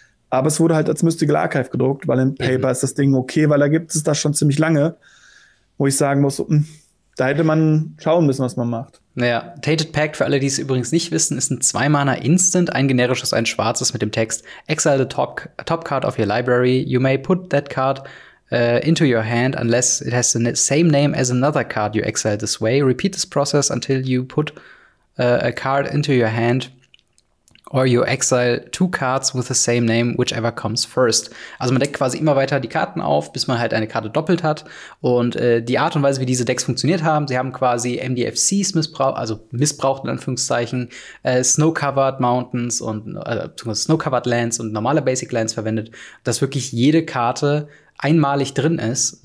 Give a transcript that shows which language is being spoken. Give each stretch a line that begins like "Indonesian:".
German: Aber es wurde halt als Mystical Archive gedruckt, weil in Paper ist das Ding okay, weil da gibt es das schon ziemlich lange, wo ich sagen muss, da hätte man schauen müssen, was man macht. Naja, Tainted Pact, für alle, die es übrigens nicht wissen, ist ein 2-Mana Instant, ein generisches, ein schwarzes mit dem Text
English: Exile the top card of your library. You may put that card into your hand unless it has the same name as another card you exile this way. Repeat this process until you put a card into your hand or you exile two cards with the same name, whichever comes first.
German: Also man deckt quasi immer weiter die Karten auf, bis man halt eine Karte doppelt hat. Und die Art und Weise, wie diese Decks funktioniert haben, sie haben quasi MDFCs missbraucht, also missbraucht in Anführungszeichen, Snow-Covered Mountains und beziehungsweise Snow-Covered Lands und normale Basic Lands verwendet, dass wirklich jede Karte einmalig drin ist.